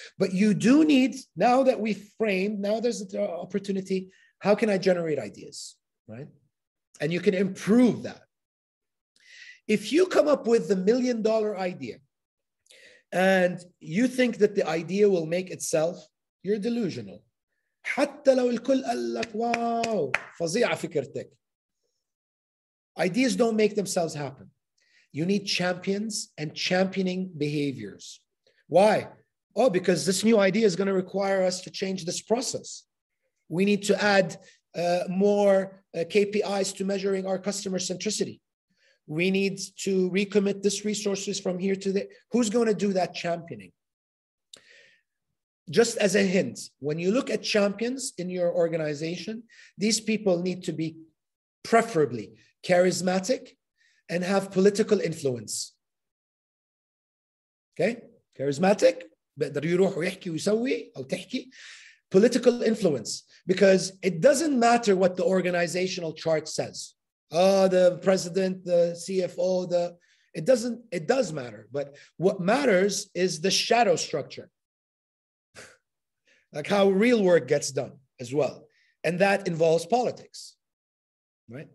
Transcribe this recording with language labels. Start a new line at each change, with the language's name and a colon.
English: But you do need, now that we framed, now there's an opportunity, how can I generate ideas, right? And you can improve that. If you come up with the $1 million idea and you think that the idea will make itself, you're delusional.
Arabic: حتى لو الكل قال لك واو فظيعة فكرتك.
English: Ideas don't make themselves happen. You need champions and championing behaviors. Why? Oh, because this new idea is going to require us to change this process. We need to add more KPIs to measuring our customer centricity. We need to recommit this resources from here to there. Who's going to do that championing? Just as a hint, when you look at champions in your organization, these people need to be preferably charismatic and have political influence. Okay? Charismatic,
Arabic: بيقدر يروح ويحكي ويسوي أو تحكي.
English: Political influence, because it doesn't matter what the organizational chart says. Oh, the president, the CFO, the it does matter. But what matters is the shadow structure. Like how real work gets done as well. And that involves politics, right?